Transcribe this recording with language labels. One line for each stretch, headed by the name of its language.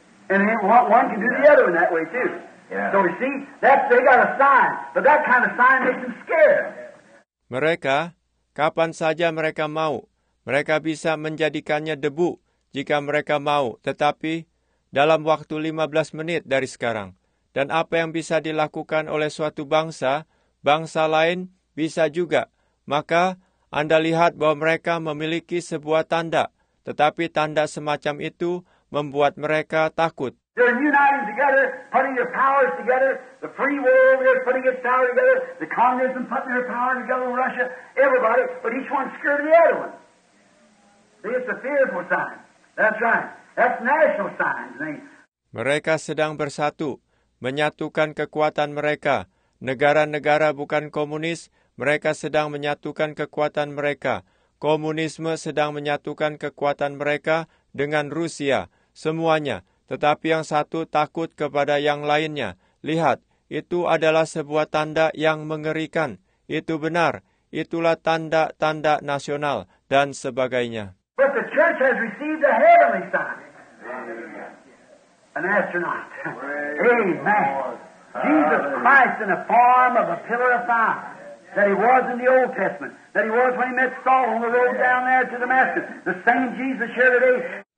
English: And one can do the other in that way too. Yeah. So you see, that they got a sign, but that kind of sign makes them scared.
Indonesian: Mereka, kapan saja mereka mau, mereka bisa menjadikannya debu jika mereka mau, tetapi dalam waktu 15 menit dari sekarang. Dan apa yang bisa dilakukan oleh suatu bangsa, bangsa lain bisa juga. Maka Anda lihat bahwa mereka memiliki sebuah tanda, tetapi tanda semacam itu membuat mereka takut.
English: They're uniting together, putting their powers together. The free world over there putting its power together. The communism putting their power together in Russia. Everybody, but each one's scared of the other one. See, it's a fearful sign. That's right. That's national signs, man.
Indonesian: Mereka sedang bersatu, menyatukan kekuatan mereka. Negara-negara bukan komunis, mereka sedang menyatukan kekuatan mereka. Komunisme sedang menyatukan kekuatan mereka dengan Rusia, semuanya. Tetapi yang satu takut kepada yang lainnya. Lihat, itu adalah sebuah tanda yang mengerikan. Itu benar. Itulah tanda-tanda nasional dan sebagainya.
English: But the church has received a heavenly sign. An astronaut. Amen. Jesus Christ in the form of a pillar of fire. That he was in the Old Testament. That he was when he met Saul on the road down there to Damascus. The same Jesus here today.